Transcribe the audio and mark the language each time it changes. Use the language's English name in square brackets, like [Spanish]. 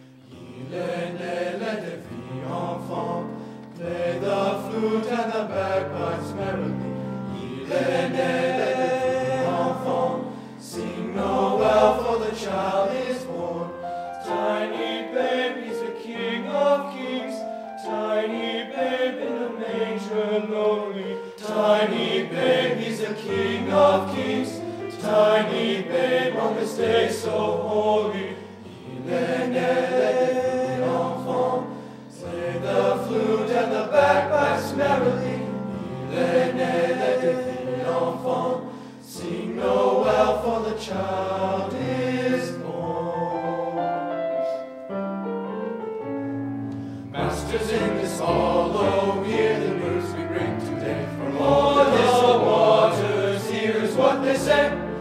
[French] Il est né, le divin enfant. [English] Play the flute and the bagpipes merrily. [French] Il est né, le divin enfant. [English] Sing Noel, for the child is born. Tiny baby's the king of kings. Tiny babe in a manger lonely. Tiny babe, he's the king of kings. Tiny babe on this day so holy. [French] Il est né, le divin enfant. [English] Play the flute and the bagpipes merrily. [French] Il est né, le divin enfant. [English] Sing Noel, for the child is born. Masters in this hall, oh, hear the news we bring today. From all the waters, here's what they say.